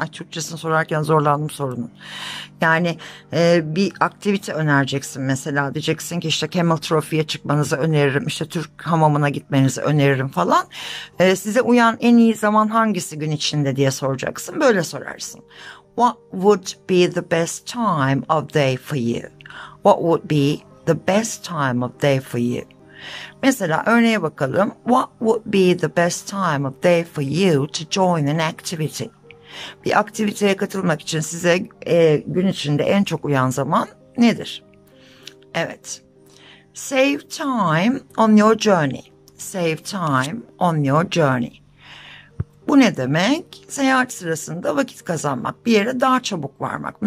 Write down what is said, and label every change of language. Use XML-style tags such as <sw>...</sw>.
<tr>Ay, Türkçesini sorarken zorlandım sorunun. Yani bir aktivite önereceksin mesela diyeceksin ki işte Camel Trophy'ye çıkmanızı öneririm işte Türk hamamına gitmenizi öneririm falan. Size uyan en iyi zaman hangisi gün içinde diye soracaksın böyle sorarsın.</tr> <en>What would be the best time of day for you? What would be the best time of day for you?</en> <tr>Mesela örneğe bakalım.</tr> <en>What would be the best time of day for you to join an activity?</en> <tr>Bir aktiviteye katılmak için size gün içinde en çok uyan zaman nedir?</tr> <en>Evet. Save time on your journey. Save time on your journey.</en> <tr>Bu ne demek? Seyahat sırasında vakit kazanmak, bir yere daha çabuk varmak.</tr>